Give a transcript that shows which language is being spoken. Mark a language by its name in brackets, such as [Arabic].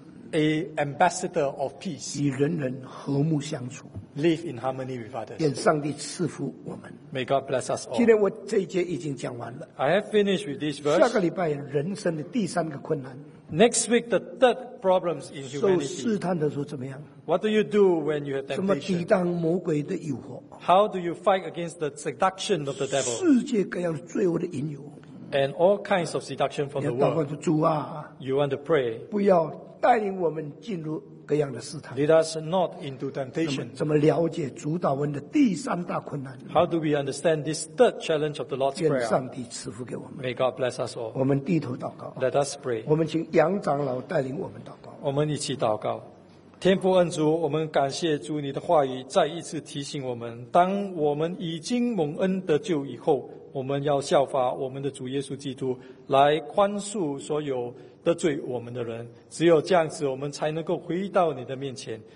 [English] A ambassador of peace. [Chinese] 与人人和睦相处。 [English] Live in harmony with others. [Chinese] 愿上帝赐福我们。 [English] May God bless us all. [Chinese] 今天我这一节已经讲完了。 [English] I have finished with this verse. [Chinese] 下个礼拜人生的第三个困难。 [English] Next week, the third problem is humanity. [Chinese] 受试探的时候怎么样？ [English] What do you do when you have temptation? [Chinese] 怎么抵挡魔鬼的诱惑？ [English] How do you fight against the seduction of the devil? [Chinese] 世界各样罪恶的引诱。 [English] And all kinds of seduction from the world. [Chinese] 你要祷告主啊。 [English] You want to pray. [Chinese] 不要带领我们进入各样的试探。 [English] Lead us not into temptation. [Chinese] 怎么了解主导文的第三大困难？ [English] How do we understand this third challenge of the Lord's Prayer? [Chinese] 愿上帝赐福给我们。 [English] May God bless us all. [Chinese] 我们低头祷告。 [English] Let us pray. [Chinese] 我们请杨长老带领我们祷告。我们一起祷告。天父恩主，我们感谢主你的话语再一次提醒我们，当我们已经蒙恩得救以后，我们要效法我们的主耶稣基督来宽恕所有得罪我们的人，只有这样子我们才能够回到你的面前。